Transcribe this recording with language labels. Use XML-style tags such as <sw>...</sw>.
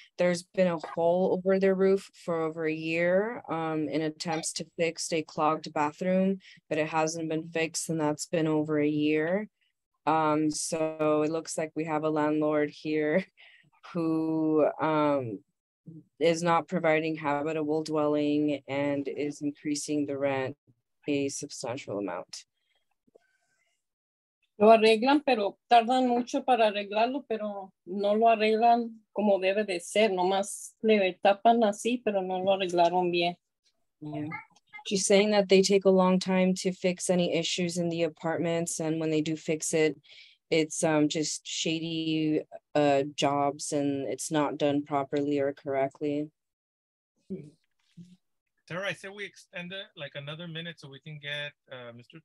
<en>There's been a hole over their roof for over a year in attempts to fix a clogged bathroom, but it hasn't been fixed and that's been over a year. So it looks like we have a landlord here who, is not providing habitable dwelling and is increasing the rent a substantial amount.</en> <es>Lo arreglan, pero tardan mucho para arreglarlo, pero no lo arreglan como debe de ser. Nomás le tapan así, pero no lo arreglaron bien.</es> <en>Yeah. She's saying that they take a long time to fix any issues in the apartments, and when they do fix it, it's just shady jobs and it's not done properly or correctly. Tara, I say we extend it like another minute so we can get Mr.</en>